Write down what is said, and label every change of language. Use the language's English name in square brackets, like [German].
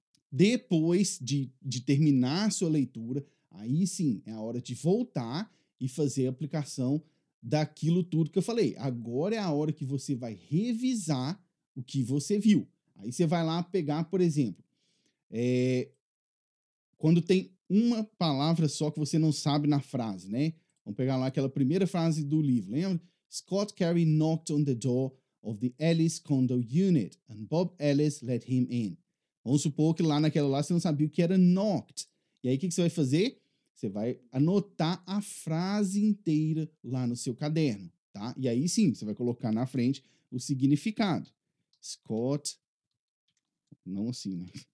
[Portuguese] Depois de terminar a sua leitura, aí sim, é a hora de voltar e fazer a aplicação daquilo tudo que eu falei. Agora é a hora que você vai revisar o que você viu. Aí você vai lá pegar, por exemplo, quando tem uma palavra só que você não sabe na frase, né? Vamos pegar lá aquela primeira frase do livro, lembra? [English] Scott Carey knocked on the door of the Ellis condo unit and Bob Ellis let him in. [Portuguese] Vamos supor que lá naquela lá você não sabia o que era knocked. E aí o que você vai fazer? Você vai anotar a frase inteira lá no seu caderno, tá? E aí sim, você vai colocar na frente o significado. Scott, não assim, né?